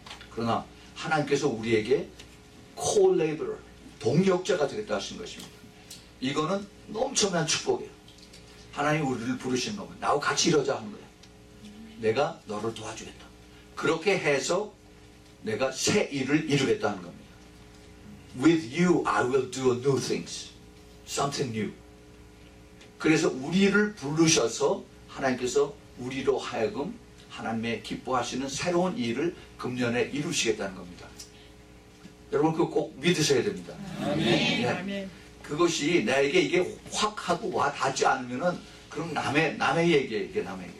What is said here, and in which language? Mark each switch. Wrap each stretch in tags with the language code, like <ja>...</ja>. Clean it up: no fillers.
<ko>그러나 하나님께서 우리에게 co-laborer, 동역자가 되겠다 하신 것입니다. 이거는 엄청난 축복이에요. 하나님 우리를 부르시는 겁니다. 나하고 같이 이러자 하는 거예요. 내가 너를 도와주겠다. 그렇게 해서 내가 새 일을 이루겠다는 겁니다.</ko> <en>With you I will do new things. Something new.</en> <ko>그래서 우리를 부르셔서 하나님께서 우리로 하여금 하나님의 기뻐하시는 새로운 일을 금년에 이루시겠다는 겁니다. 여러분 그거 꼭 믿으셔야 됩니다. 아멘. 네. 그것이 나에게 이게 확 하고 와 닿지 않으면은 그럼 남의 얘기에 이게 남의 얘기.</ko>